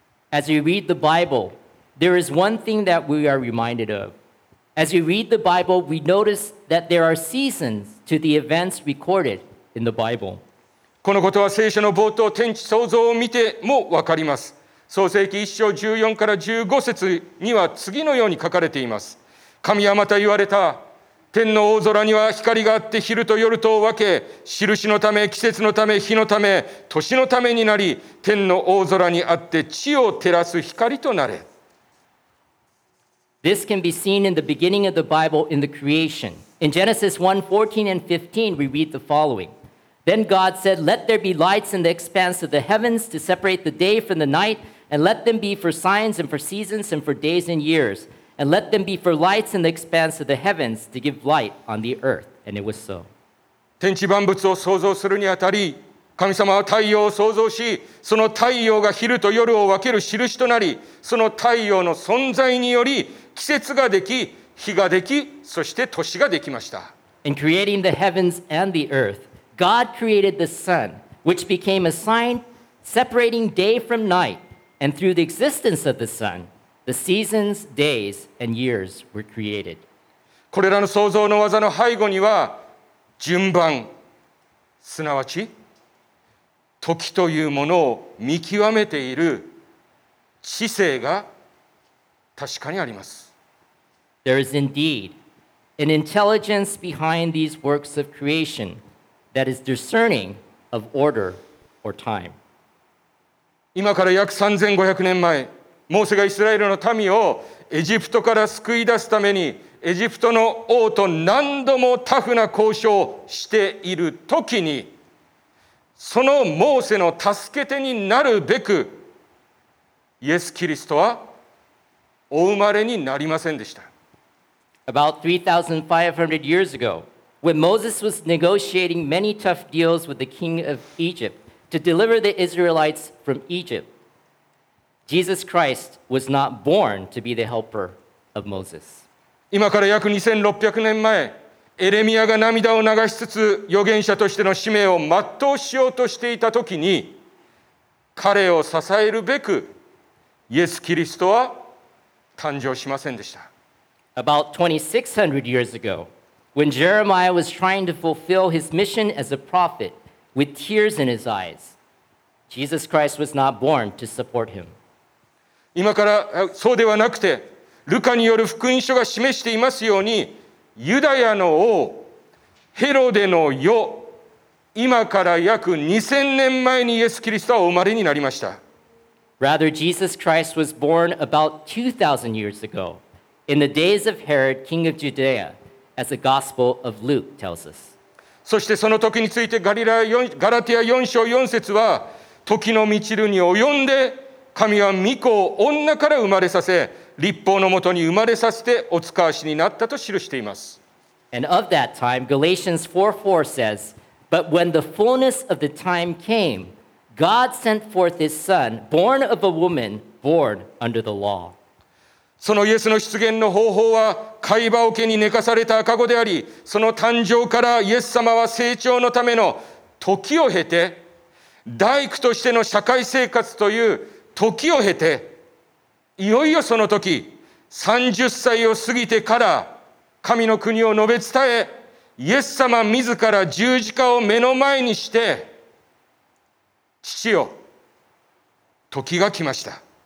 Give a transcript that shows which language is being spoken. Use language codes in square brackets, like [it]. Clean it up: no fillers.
[en] As you read the Bible, there is one thing that we are reminded of. As you read the Bible, we notice that there are seasons to the events recorded in the Bible. [ja] このことは聖書の冒頭、天地創造を見てもわかります。創世記1章14から15節には次のように書かれています。神はまた言われた。天の大空には光があって昼と夜とを分け、印のため、季節のため、日のため、年のためになり、天の大空にあって地を照らす光となれ。 [en] This can be seen in the beginning of the Bible in the creation. In Genesis 1, 14 and 15, we read the following. Then God said, let there be lights in the expanse of the heavens to separate the day from the night, and let them be for signs and for seasons and for days and years, and let them be for lights in the expanse of the heavens to give light on the earth. And it was so. [ja] 天地万物を創造するにあたり、神様は太陽を創造し、その太陽が昼と夜を分ける印となり、その太陽の存在により季節ができ、日ができ、そして年ができました。 [en] In creating the heavens and the earth, God created the sun, which became a sign separating day from night, and through the existence of the sun, the seasons, days, and years were created. [ja] これらの創造の技の背後には、順番、すなわち、時というものを見極めている知性が確かにあります。 [en] There is indeed an intelligence behind these works of creation that is discerning of order or time. [ja] 今から約3500年前、モーセがイスラエルの民をエジプトから救い出すためにエジプトの王と何度もタフな交渉をしているときに、そのモーセの助け手になるべくイエス・キリストはお生まれになりませんでした。 [en] About 3,500 years ago, when Moses was negotiating many tough deals with the king of Egypt to deliver the Israelites from Egypt, Jesus Christ was not born to be the helper of Moses. [ja] 今から約2600年前、エレミアが涙を流しつつ預言者としての使命を全うしようとしていたときに、彼を支えるべくイエス・キリストは誕生しませんでした。 [en] About 2600 years ago, when Jeremiah was trying to fulfill his mission as a prophet with tears in his eyes, Jesus Christ was not born to support him. [ja] 今からそうではなくて、ルカによる福音書が示していますように、ユダヤの王ヘロデの世、今から約2000年前にイエス・キリストはお生まれになりました。 [en] Rather, Jesus Christ was born about 2000 years ago in the days of Herod, king of Judea, as the Gospel of Luke tells us. [ja] そしてその時についてガラティア4章4節は、時の満ちるに及んで神は御子を女から生まれさせ、立法のもとに生まれさせてお使わしになったと記しています。 [en] And of that time, Galatians 4:4 says, But when the fullness of the time came, God sent forth his son, born of a woman, born under the law. [ja] そのイエスの出現の方法は、貝羽桶に寝かされた赤子であり、その誕生からイエス様は成長のための時を経て、大工としての社会生活という時を経て、いよいよその時、30歳を過ぎてから神の国を述べ伝え、イエス様自ら十字架を目の前にして、父よ、時が来ました。